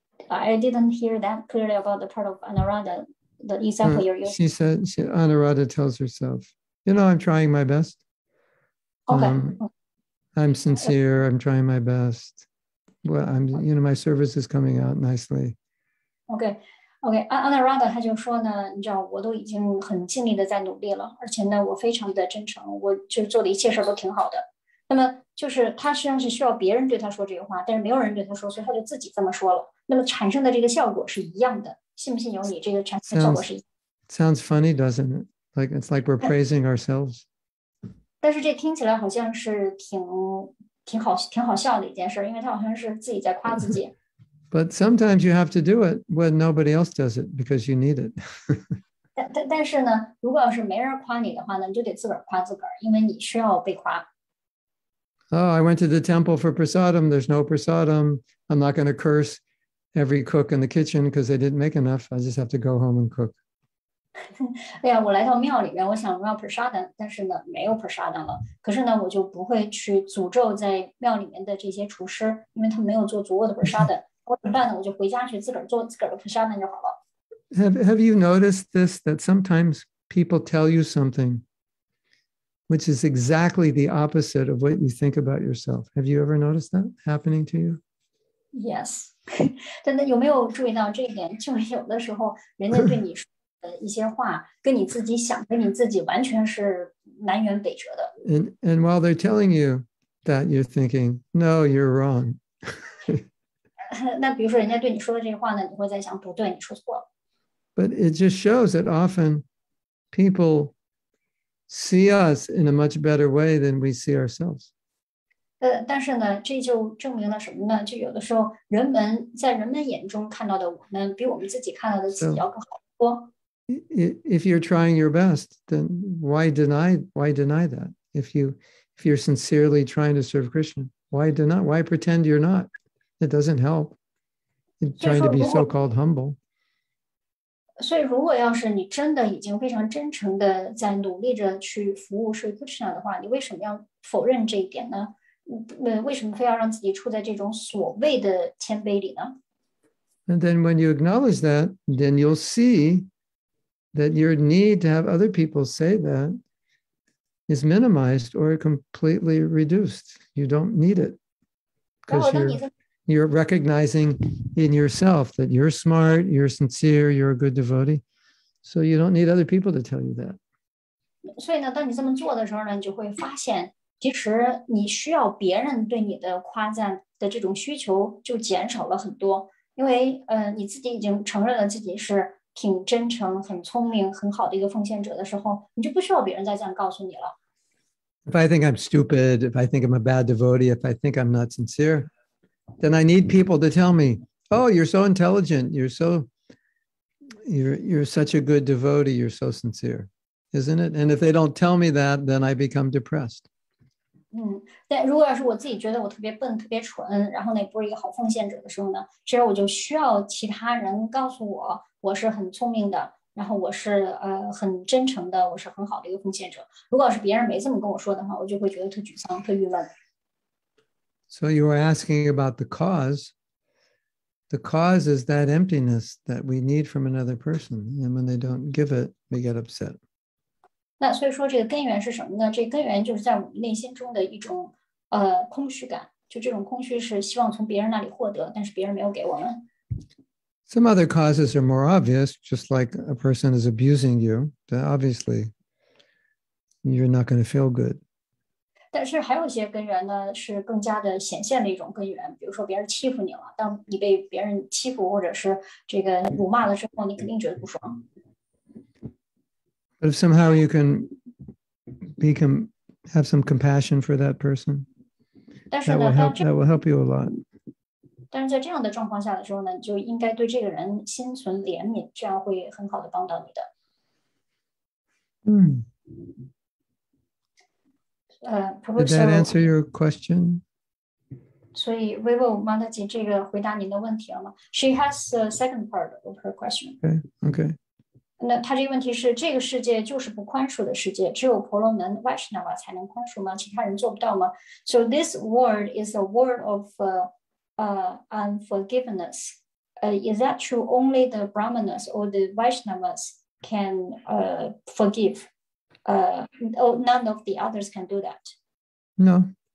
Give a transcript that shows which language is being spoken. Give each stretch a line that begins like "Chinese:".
English: I didn't hear that clearly about the part of Anuradha. The example you're using. She said, Anuradha tells herself, you know, I'm trying my best. Okay. I'm sincere. I'm trying my best. Well, I'm, you know, my service is coming out nicely. Okay.
Chinese: Anuradha, 他就说呢，你知道，我都已经很尽力的在努力了，而且呢，我非常的真诚，我就做的一切事都挺好的。那么就是他实际上是需要别人对他说这个话，但是没有人对他说，所以他就自己这么说了。那么产生的这个效果是一样的，信不信由你。这个产生的效果是一样。
English: Sounds funny, doesn't it? Like it's like we're praising ourselves.
Chinese: 但是这听起来好像是挺好笑的一件事，因为他好像是自己在夸自己。
English: But sometimes you have to do it when nobody else does it because you need it.
Chinese: 但是呢，如果要是没人夸你的话呢，你就得自个儿夸自个儿，因为你需要被夸。
English: Oh, I went to the temple for prasadam. There's no prasadam. I'm not going to curse every cook in the kitchen because they didn't make enough. I just have to go home and cook.
Chinese: Yeah, 我来到庙里面，我想要 prasadam， 但是呢，没有 prasadam 了。可是呢，我就不会去诅咒在庙里面的这些厨师，因为他没有做足够的 prasadam。我怎么办呢？我就回家去自个儿做自个儿的 prasadam 就好了。
English: Have you noticed this? That sometimes people tell you something which is exactly the opposite of what you think about yourself. Have you ever noticed that happening to you? Yes.
Chinese: 但是有没有注意到这一点？就是有的时候人家对你说的一些话，跟你自己想跟你自己完全是南辕北辙的。
English: And while they're telling you that, you're thinking, no, you're wrong.
Chinese: 那比如说人家对你说的这话呢，你会在想，不对，你说错了。
English: But it just shows that often people see us in a much better way than we see ourselves.
Chinese: 但是呢，这就证明了什么呢？就有的时候，人们眼中看到的我们，比我们自己看到的自己要更好多。
English: If you're trying your best, then why deny that? If you're sincerely trying to serve Krishna, why deny? Why pretend you're not? It doesn't help. Trying to be so-called humble.
Chinese: 所以如果要是你真的已经非常真诚的在努力着去服务Sri Krishna的话，你为什么要否认这一点呢？为什么非要让自己处在这种所谓的谦卑里呢？
English: And then when you acknowledge that, then you'll see that your need to have other people say that is minimized or completely reduced. You don't need it. Because you're recognizing in yourself that you're smart, you're sincere, you're a good devotee. So you don't need other people to tell you that.
Chinese: 所以呢，当你这么做的时候呢，你就会发现，其实你需要别人对你的夸赞的这种需求就减少了很多，因为你自己已经承认了自己是挺真诚、很聪明、很好的一个奉献者的时候，你就不需要别人再这样告诉你了。
English: If I think I'm stupid, if I think I'm a bad devotee, if I think I'm not sincere,then I need people to tell me, oh, you're so intelligent. You're such a good devotee. You're so sincere, isn't it? And if they don't tell me that, then I become depressed.
Chinese: 但如果要是我自己觉得我特别笨、特别蠢，然后呢不是一个好奉献者的时候呢，其实我就需要其他人告诉我，我是很聪明的，然后我是很真诚的，我是很好的一个奉献者。如果要是别人没这么跟我说的话，我就会觉得特沮丧、特郁闷。
English: So you were asking about the cause. The cause is that emptiness that we need from another person. And when they don't give it, we get upset.
Chinese: 那所以说这个根源是什么呢？这根源就是在我们内心中的一种空虚感。就这种空虚是希望从别人那里获得，但是别人没有给我们。
English: Some other causes are more obvious, just like a person is abusing you, then obviously you're not going to feel good.
Chinese: 但是还有一些根源呢，是更加的显现的一种根源。比如说别人欺负你了，当你被别人欺负或者是这个辱骂了之后，你肯定觉得不爽。
English: But if somehow you can become have some compassion for that person.
Chinese: 但是呢,
English: that will help you a lot.
Chinese: 但是在这样的状况下的时候呢, 就应该对这个人心存怜悯, 这样会很好地帮到你的。
English: Did that answer your question?
Chinese: 所以 Vivo Mataji 这个回答您的问题了吗?
English: She has the second part of her question. Okay.
Chinese: 那他这个问题是这个世界就是不宽恕的世界，只有婆罗门Vaishnava才能宽恕吗？其他人做不到吗？
English: So this word is a word of unforgiveness. Is that true? Only the Brahmanas or the Vaishnavas can forgive. None of the others can do that. No.